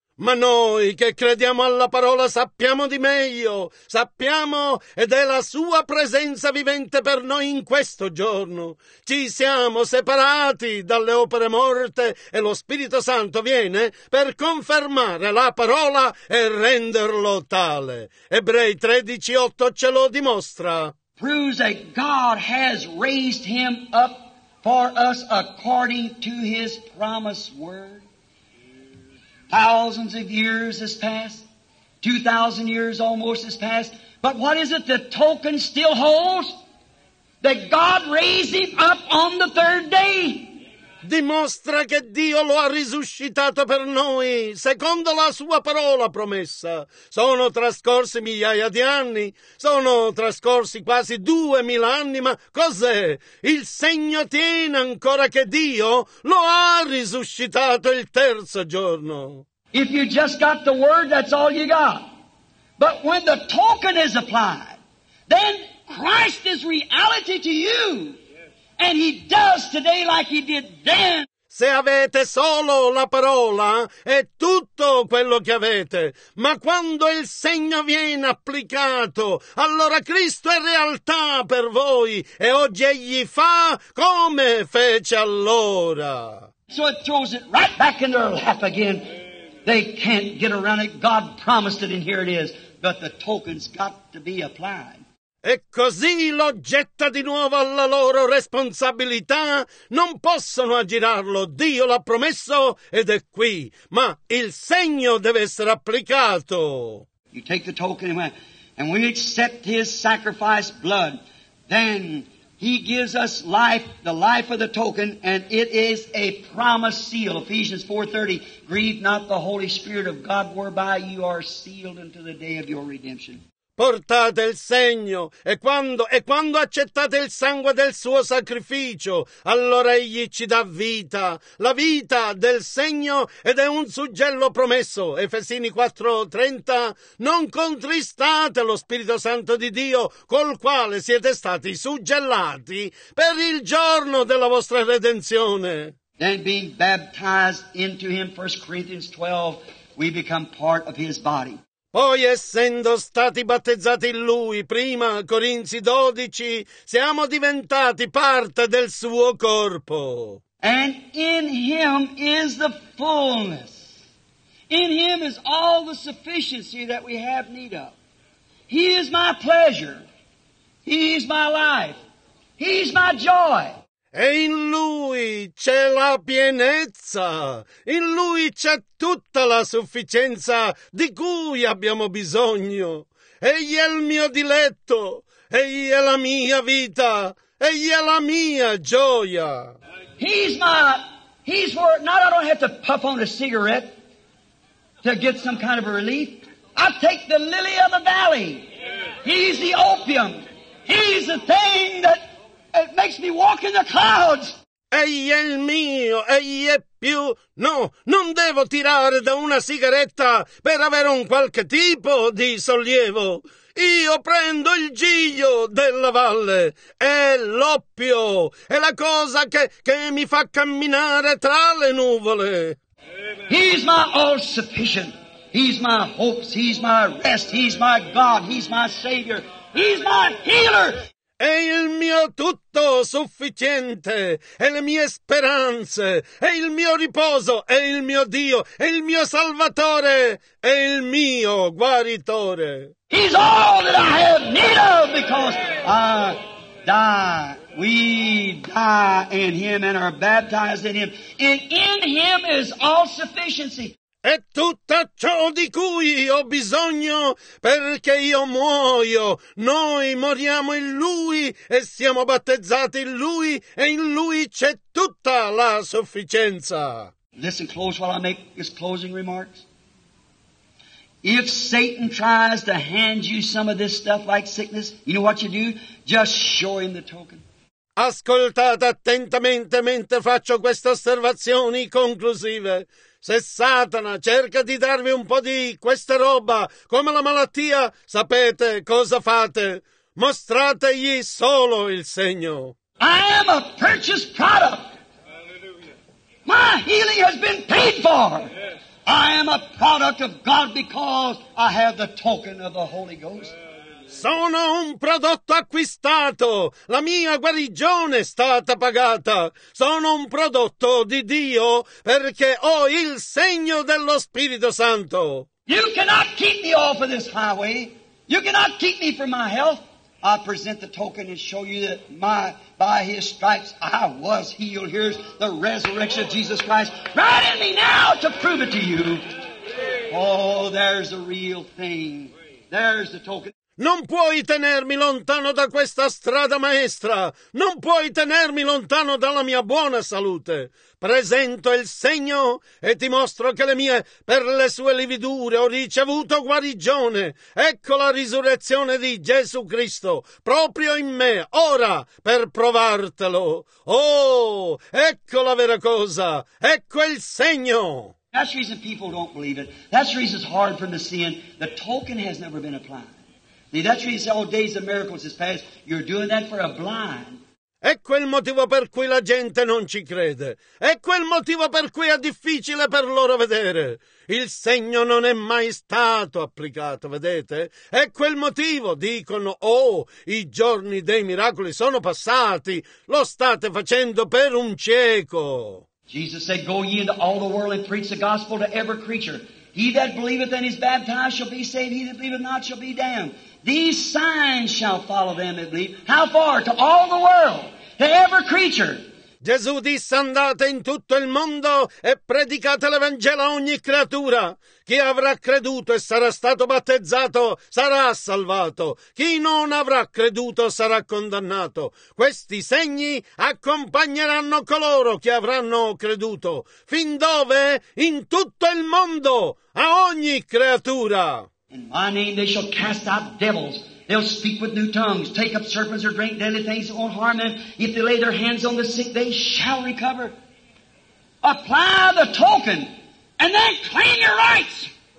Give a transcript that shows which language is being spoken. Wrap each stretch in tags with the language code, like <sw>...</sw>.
<it>Ma noi che crediamo alla parola sappiamo di meglio, sappiamo ed è la sua presenza vivente per noi in questo giorno. Ci siamo separati dalle opere morte e lo Spirito Santo viene per confermare la parola e renderlo tale. Ebrei 13:8 ce lo dimostra.</it> <en>Proves that God has raised him up for us according to his promised word. Thousands of years has passed, 2,000 years almost has passed, but what is it the token still holds? That God raised him up on the third day.</en> <it>Dimostra che Dio lo ha risuscitato per noi, secondo la sua parola promessa. Sono trascorsi migliaia di anni, sono trascorsi quasi 2000 anni, ma cos'è? Il segno tiene ancora che Dio lo ha risuscitato il terzo giorno.</it> <en>If you just got the word, that's all you got. But when the token is applied, then Christ is reality to you. And he does today like he did then.</en> <it>Se avete solo la parola, è tutto quello che avete. Ma quando il segno viene applicato, allora Cristo è realtà per voi. E oggi egli fa come fece allora.</it> <en>So it throws it right back in their lap again. They can't get around it. God promised it and here it is. But the token's got to be applied.</en> <it>E così lo getta di nuovo alla loro responsabilità. Non possono aggirarlo. Dio l'ha promesso ed è qui. Ma il segno deve essere applicato.</it> <en>You take the token and we accept his sacrificed blood. Then he gives us life, the life of the token, and it is a promise seal. Ephesians 4:30, grieve not the Holy Spirit of God, whereby you are sealed unto the day of your redemption.</en> <it>Portate il segno, e quando accettate il sangue del suo sacrificio, allora egli ci dà vita, la vita del segno, ed è un suggello promesso. Efesini 4:30, non contristate lo Spirito Santo di Dio, col quale siete stati suggellati per il giorno della vostra redenzione.</it> <en>Then being baptized into him, 1 Corinthians 12, we become part of his body.</en> <it>Poi, essendo stati battezzati in Lui, prima Corinzi 12, siamo diventati parte del suo corpo.</it> <en>And in Him is the fullness. In Him is all the sufficiency that we have need of. He is my pleasure. He is my life. He is my joy.</en> <it>E in Lui c'è la pienezza, in Lui c'è tutta la sufficienza di cui abbiamo bisogno. Egli è il mio diletto, Egli è la mia vita, Egli è la mia gioia.</it> <en>He's for, not I don't have to puff on a cigarette to get some kind of a relief. I take the lily of the valley. He's the opium. He's the thing that it makes me walk in the clouds.</en> <it>Egli è il mio, egli è più. No, non devo tirare da una sigaretta per avere un qualche tipo di sollievo. Io prendo il giglio della valle, è l'oppio, è la cosa che mi fa camminare tra le nuvole.</it> <en>He's my all sufficient. He's my hopes, he's my rest, he's my God, he's my Savior, he's my healer.</en> <it>È il mio tutto sufficiente, è le mie speranze, è il mio riposo, è il mio Dio, è il mio Salvatore, è il mio guaritore.</it> <en>He's all that I have need of because I die, we die in Him and are baptized in Him. And in Him is all sufficiency.</en> <it>È tutto ciò di cui ho bisogno perché io muoio. Noi moriamo in Lui e siamo battezzati in Lui e in Lui c'è tutta la sufficienza.</it> <en>Listen close while I make his closing remarks. If Satan tries to hand you some of this stuff like sickness, you know what you do? Just show him the token.</en> <it>Ascoltate attentamente mentre faccio queste osservazioni conclusive. Se Satana cerca di darvi un po' di questa roba come la malattia, sapete cosa fate? Mostrategli solo il segno.</it> <en>I am a purchased product. My healing has been paid for. I am a product of God because I have the token of the Holy Ghost.</en> <it>Sono un prodotto acquistato. La mia guarigione è stata pagata. Sono un prodotto di Dio perché ho il segno dello Spirito Santo.</it> <en>You cannot keep me off of this highway. You cannot keep me from my health. I present the token and show you that by His stripes I was healed. Here's the resurrection of Jesus Christ right in me now to prove it to you. Oh, there's the real thing. There's the token.</en> <it>Non puoi tenermi lontano da questa strada maestra. Non puoi tenermi lontano dalla mia buona salute. Presento il segno e ti mostro che le mie per le sue lividure ho ricevuto guarigione. Ecco la risurrezione di Gesù Cristo proprio in me, ora, per provartelo. Oh, ecco la vera cosa. Ecco il segno.</it> <en>That's the reason people don't believe it. That's the reason it's hard for them to see it. The token has never been applied. That's why you say, oh, days of miracles is past. You're doing that for a blind.</en> <it>Ecco il motivo per cui la gente non ci crede. Ecco il motivo per cui è difficile per loro vedere. Il segno non è mai stato applicato, vedete? Ecco il motivo, dicono, oh, i giorni dei miracoli sono passati. Lo state facendo per un cieco.</it> <en>Jesus said, go ye into all the world and preach the gospel to every creature. He that believeth and is baptized shall be saved. He that believeth not shall be damned. These signs shall follow them that believe. How far? To all the world. To every creature.</en> <it>Gesù disse, andate in tutto il mondo e predicate l'Evangelo a ogni creatura. Chi avrà creduto e sarà stato battezzato sarà salvato. Chi non avrà creduto sarà condannato. Questi segni accompagneranno coloro che avranno creduto. Fin dove? In tutto il mondo, a ogni creatura.</it> <en>In my name they shall cast out devils. They'll speak with new tongues, take up serpents or drink deadly things that won't harm them. If they lay their hands on the sick, they shall recover. Apply the token and then claim your rights.</en>